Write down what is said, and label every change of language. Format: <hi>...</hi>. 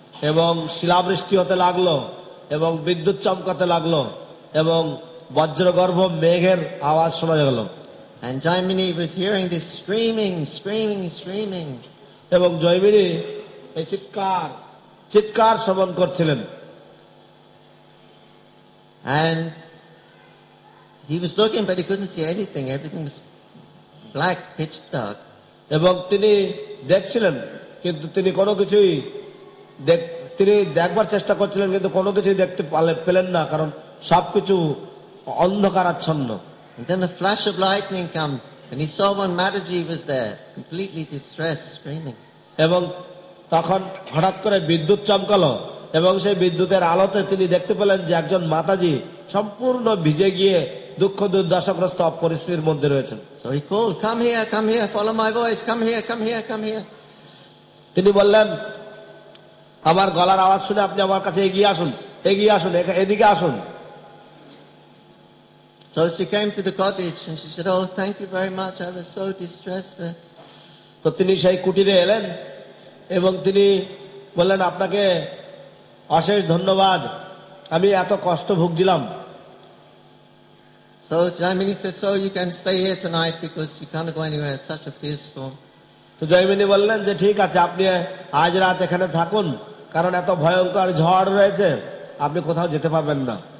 <bn>এবং শিলাবৃষ্টি হতে লাগলো এবং বিদ্যুৎ চমকাতে লাগলো এবং বজ্রগর্ভ মেঘের আওয়াজ শোনা গেল.</bn> <en>And Jaimini was hearing this screaming, screaming, screaming.</en> <bn>এবং জয়বীর এই চিৎকার চিৎকার শ্রবণ করছিলেন.</bn> <en>And he was looking, but he couldn't see anything. Everything was black, pitch dark.</en> <bn>এবং তিনি দেখছিলেন, কিন্তু তিনি কোনো কিছুই তিনি দেখবার চেষ্টা করছিলেন, কিন্তু কোনো কিছুই দেখতে পেলেন না, কারণ সব কিছু অন্ধকার আচ্ছন্ন.</bn> <en>And then a flash of lightning came, and he saw one Mataji was there, completely distressed, screaming.</en> <bn>এবং তখন হঠাৎ করে বিদ্যুৎ চমকালো, এবং সেই বিদ্যুতের আলোতে তিনি দেখতে পেলেন যে একজন মাতাজি সম্পূর্ণ ভিজে গিয়ে দুঃখ দুর্দশাগ্রস্ত পরিস্থিতির মধ্যে রয়েছেন.</bn> <en>So he called, "Come here, come here, follow my voice, come here, come here, come here."</en> <bn>তিনি বললেন, আমার গলার আওয়াজ শুনে আপনি আমার কাছে এগিয়ে আসুন, এগিয়ে আসুন, এদিকে আসুন.</bn> <en>So she came to the cottage and she said, "Oh, thank you very much. I was so distressed there."</en> <bn>তো তিনি সেই কুটিরে এলেন এবং তিনি বললেন, আপনাকে অশেষ ধন্যবাদ, আমি এত কষ্ট ভুগছিলাম.</bn> <en>So Jaimini said, "So you can stay here tonight because you can't go anywhere. It's such a fierce storm."</en> <bn>তো জয়মিনী বললেন যে ঠিক আছে, আপনি আজ রাত এখানে থাকুন, কারণ এত ভয়ঙ্কর ঝড় রয়েছে, আপনি কোথাও যেতে পারবেন না.</bn>